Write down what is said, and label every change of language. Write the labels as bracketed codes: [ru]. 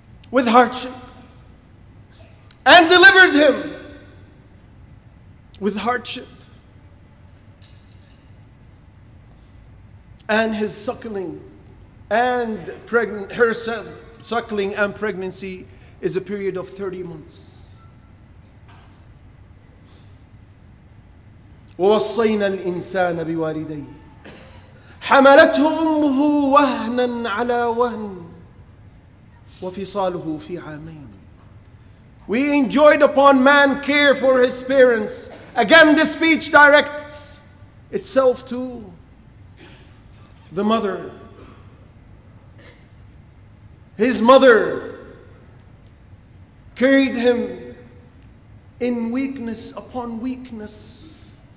[en] With hardship. And delivered him. With hardship. And his suckling. And her suckling and pregnancy is a period of 30 months. [ar] ووصينا الإنسان بوالديه حملته أمه وهنا على وهن وفصاله في عامين. [en] We enjoyed upon man care for his parents. Again, the speech directs itself to the mother. His mother carried him in weakness upon weakness.